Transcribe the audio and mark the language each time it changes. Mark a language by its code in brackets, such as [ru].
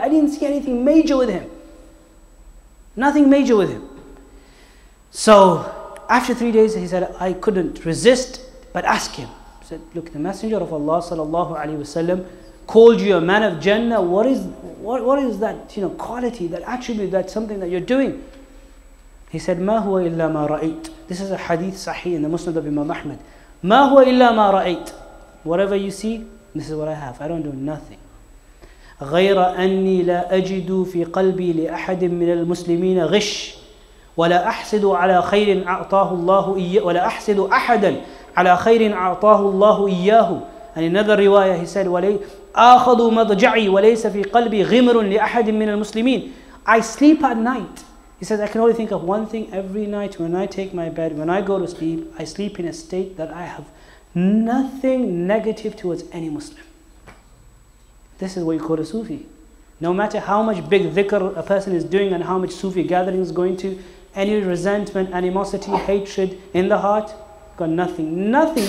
[en] I didn't see anything major with him. Nothing major with him. So after 3 days, he said, I couldn't resist, but ask him. He said, look, the Messenger of Allah sallallahu alayhi wasallam called you a man of Jannah. What is that, you know, quality, that attribute, that something that you're doing? He said, [ar] ما هو إلا ما رأيت. [en] This is a hadith sahih in the Musnad of Imam Ahmad. [ar] ما هو إلا ما رأيت. [en] Whatever you see, this is what I have. I don't do nothing. [ar] غير أني لا أجد في قلبي لأحد من المسلمين غش ولا أحسد على خير أعطاه الله إياه ولا أحسد أحدا على خير أعطاه الله إياه. [en] And in another riwayah, he said, [ar] أخذ مضجعي وليس في قلبي غمر لأحد من المسلمين. [en] I sleep at night. He says, I can only think of one thing every night when I take my bed, when I go to sleep, I sleep in a state that I have nothing negative towards any Muslim. This is what you call a Sufi. No matter how much big dhikr a person is doing and how much Sufi gathering is going to, any resentment, animosity, hatred in the heart, got nothing. Nothing.